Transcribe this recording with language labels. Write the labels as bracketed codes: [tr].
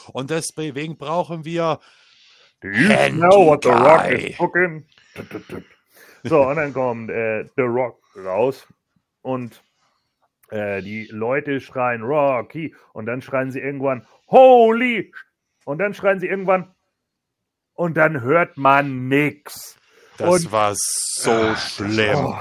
[de] Und deswegen brauchen wir. [en] Do you know what The Rock is cooking? [de] So, und dann kommt The Rock raus und die Leute schreien Rocky und dann schreien sie irgendwann Holy und dann schreien sie irgendwann und dann hört man nix. Das war so schlimm.